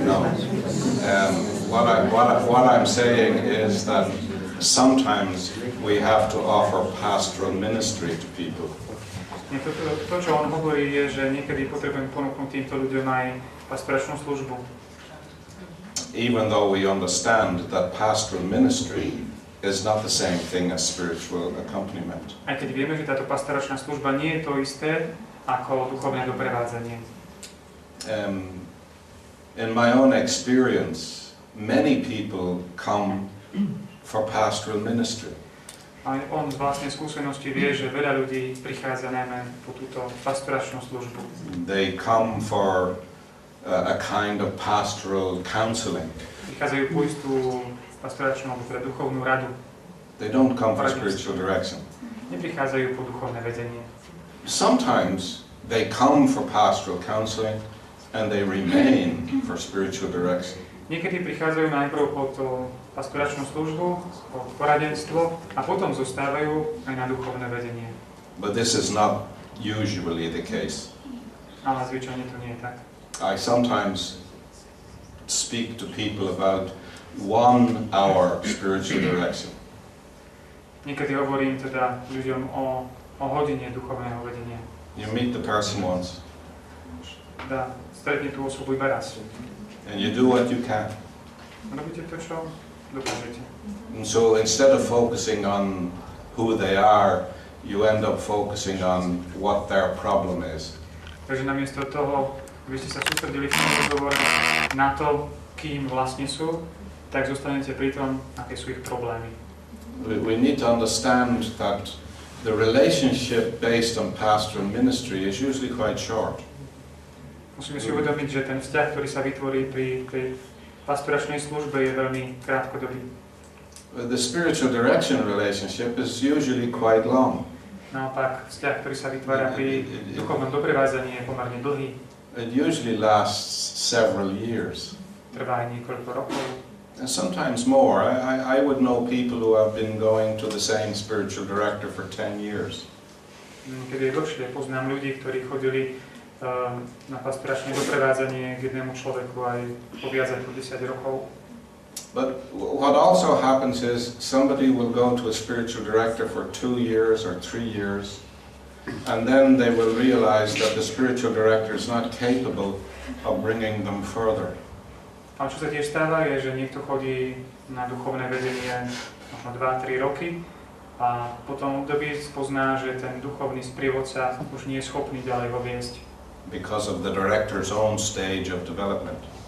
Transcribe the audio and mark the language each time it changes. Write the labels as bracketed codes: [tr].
[en] What I'm saying is that sometimes we have to offer pastoral ministry to people. [sk] To, čo on hovorí, je, že niekedy potrebujem ponúknuť týmto ľuďom aj pastoračnú službu. [en] Even though we understand that pastoral ministry is not the same thing as spiritual accompaniment. [sk] Aj keď vieme, že táto pastoračná služba nie je to isté ako duchovné doprevádzanie. [en] In my own experience, many people come for pastoral ministry. [sk] A on z vlastnej skúsenosti vie, že veľa ľudí prichádza najmä po túto pastoračnú službu. [en] They come for a kind of pastoral counseling. [sk] Prichádzajú po istú pastoračnú alebo duchovnú radu. [en] They don't come for spiritual direction. [sk] Neprichádzajú po duchovné vedenie. [en] Sometimes they come for pastoral counseling and they remain for spiritual direction. [sk] Niekedy prichádzajú najprv po to pastoračnú službu, po poradenstvo a potom zostávajú aj na duchovné vedenie. [en] But this is not usually the case. [sk] Ale zvyčajne to nie je tak. [en] I sometimes speak to people about 1 hour spiritual direction. [sk] Niekedy hovorím teda ľuďom o hodine duchovného vedenia. [en] You meet the person once. [sk] Da, stretne tú osobu iba raz. [en] And you do what you can. [sk] Robíte to, čo dokážete. [en] And so instead of focusing on who they are, you end up focusing on what their problem is. [sk] Takže namiesto toho, aby ste sa sústredili v tom rozhovore na to, kým vlastne sú, tak zostanete pri tom, aké sú ich problémy. [en] We need to understand that the relationship based on pastoral ministry is usually quite short. [sk] Musíme si uvedomiť, že ten vzťah, ktorý sa vytvorí pri tej pastoračnej službe, je veľmi krátkodobý. [en] The spiritual direction relationship is usually quite long. [sk] Naopak, vzťah, ktorý sa vytvára pri duchovnom doprevádzaní, je pomerne dlhý. [en] It usually lasts several years. [sk] Trvá aj niekoľko rokov. [en] And sometimes more. I would know people who have been going to the same spiritual director for 10 years. [sk] Keď je dlhšie, poznám ľudí, ktorí chodili na pastoračné doprevádzanie k jednému človeku aj po viac ako 10 rokov. [en] But what also happens is somebody will go to a spiritual director for 2 years or 3 years and then they will realize that the spiritual director is not capable of bringing them further. [sk] A čo sa tiež stáva je, že niekto chodí na duchovné vedenie možno 2-3 roky a potom období spozná, že ten duchovný sprievodca už nie je schopný ďalej ho viesť. [en] Because of the director's own stage of development.